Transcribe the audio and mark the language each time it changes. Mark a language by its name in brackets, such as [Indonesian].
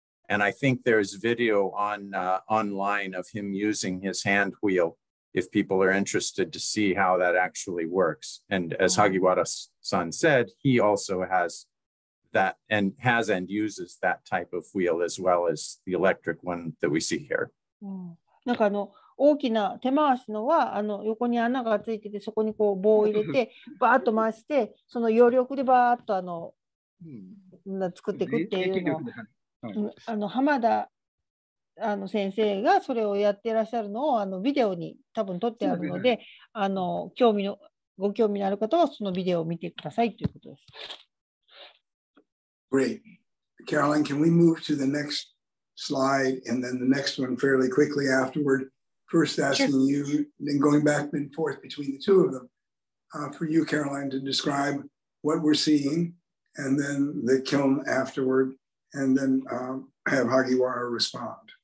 [English] And I think there's video on online of him using his hand wheel if people are interested to see how that actually works. And as Hagiwara-san said, he also has that and has and uses that type of wheel as well as the electric one that we see here. Mm. [Japanese] 大きな手回しのはあの横に穴がついててそこにこう棒を入れてバーッと回してその揚力でバーッとあの作っていくっていうのあの浜田あの先生がそれをやってらっしゃるのをあのビデオに多分撮ってあるのであの興味のご興味のある方はそのビデオを見てくださいということです。 [English] Great. Caroline, can we move to the next slide and then the next one fairly quickly afterwardFirst asking you, then going back and forth between the two of them, for you, Caroline, to describe what we're seeing, and then the kiln afterward, and then have Hagiwara respond.